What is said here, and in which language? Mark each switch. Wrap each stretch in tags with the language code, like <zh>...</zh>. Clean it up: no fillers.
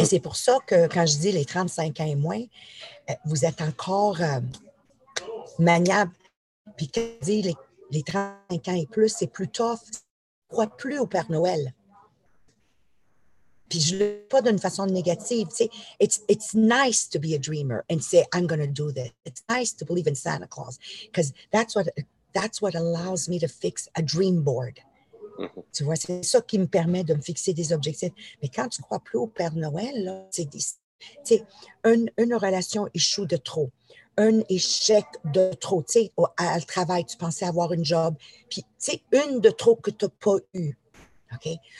<fr>Et c'est pour ça que quand je dis les 35 ans et moins, vous êtes encore maniable. Puis quand je dis les 35 ans et plus, c'est plus tough. Je ne crois plus au Père Noël. Puis je ne le dis pas d'une façon négative. Tu sais,</fr> <en>it's nice to be a dreamer and say, I'm going to do this. It's nice to believe in Santa Claus. Because that's what allows me to fix a dream board.</en> <fr>Tu vois, c'est ça qui me permet de me fixer des objectifs. Mais quand tu ne crois plus au Père Noël, là, c'est une relation échoue de trop, un échec de trop. Tu sais, au travail, tu pensais avoir une job, puis tu sais, une de trop que tu n'as pas eu. OK?</fr>